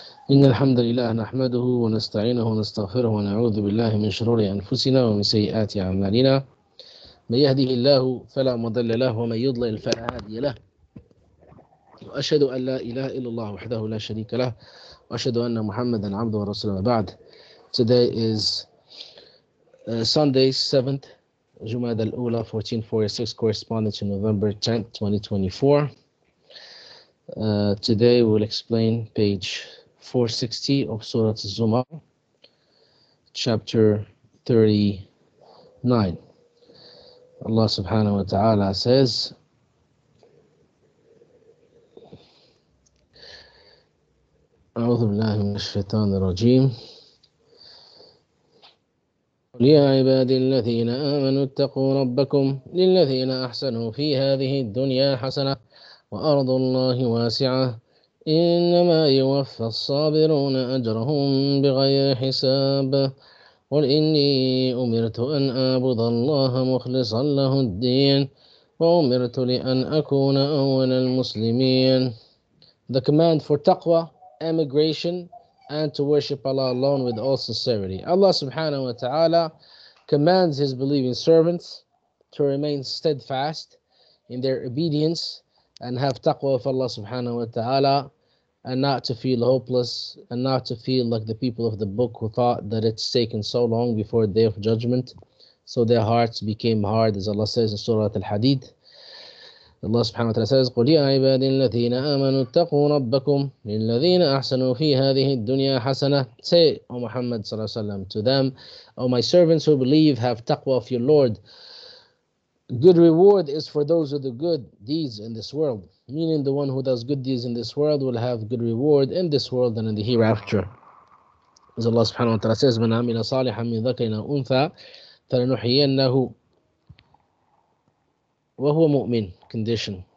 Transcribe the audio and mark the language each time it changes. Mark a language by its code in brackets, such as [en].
[ar] إن الحمد لله نحمده ونستعينه ونستغفره ونعوذ بالله من شرور أنفسنا ومن سيئات أعمالنا. من يهده الله فلا مضل له ومن يضلل فلا هادي له. وأشهد أن لا إله إلا الله وحده لا شريك له وأشهد أن محمدا عبده ورسوله. بعد، [en] today is Sunday 7th جمادى الأولى 1446 correspondence in November 10th 2024. Today we'll explain page 460 of Surah Az-Zumar, chapter 39. Allah subhanahu wa ta'ala says, [ar] أعوذ بالله من الشيطان الرجيم. قل يا عبادي الذين آمنوا اتقوا ربكم للذين أحسنوا في هذه الدنيا حسنة وأرض الله واسعة إنما يوفى الصابرون أجرهم بغير حساب قل إني أمرت أن أعبد الله مخلصا له الدين وأمرت لأن أكون أول المسلمين. [en] The command for taqwa, emigration, and to worship Allah alone with all sincerity. Allah subhanahu wa ta'ala commands his believing servants to remain steadfast in their obedience and have taqwa of Allah subhanahu wa ta'ala, and not to feel hopeless, and not to feel like the people of the book who thought that it's taken so long before the day of judgment, so their hearts became hard, as Allah says in Surah Al-Hadid. Allah subhanahu wa ta'ala says, [ar] قُلْ يَا عِبَادِ الَّذِينَ آمَنُوا اتَّقُوا رَبَّكُمْ لِلَّذِينَ أَحْسَنُوا فِي هَذِهِ الدُّنْيَا حَسَنَةً. [en] Say, O Muhammad sallallahu alayhi wa sallam, to them, O my servants who believe, have taqwa of your Lord. Good reward is for those who do good deeds in this world. Meaning the one who does good deeds in this world will have good reward in this world and in the hereafter. As Allah subhanahu wa ta'ala says, [ar] مَنْ عَمِلَ صَالِحًا مِنْ ذَكَرِنَا أُنْثَى فَلَنُحْيِيَنَّهُ وَهُوَ مُؤْمِنٌ condition.